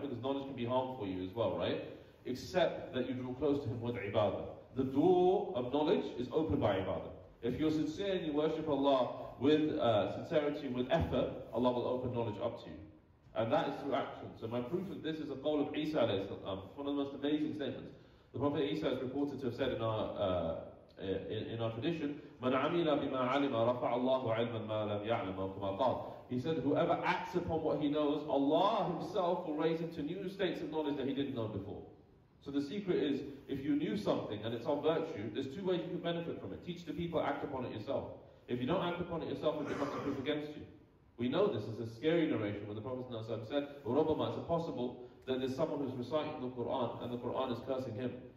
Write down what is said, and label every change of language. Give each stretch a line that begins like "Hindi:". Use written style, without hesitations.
English: Because knowledge can be harmful for you as well, right? Except that you draw close to him with ibadah. The door of knowledge is opened by ibadah. If you're sincere and you worship Allah with sincerity and with effort, Allah will open knowledge up to you. And that is through action. So my proof of this is a qawl of Isa, one of the most amazing statements. The Prophet Isa is reported to have said in our tradition,
Arabic: مَنْ عَمِلَ بِمَا عَلِمَ رَفَعَ اللَّهُ عِلْمًا مَا لَمْ يَعْلَمَ وَكُمَا قَالَ.
English: He said, whoever acts upon what he knows, Allah himself will raise him to new states of knowledge that he didn't know before. So the secret is, if you knew something and it's of virtue, there's two ways you can benefit from it. Teach the people, act upon it yourself. If you don't act upon it yourself, it becomes a proof against you. We know this is a scary narration when the Prophet said, Rabbama, is it possible that there's someone who's reciting the Quran and the Quran is cursing him?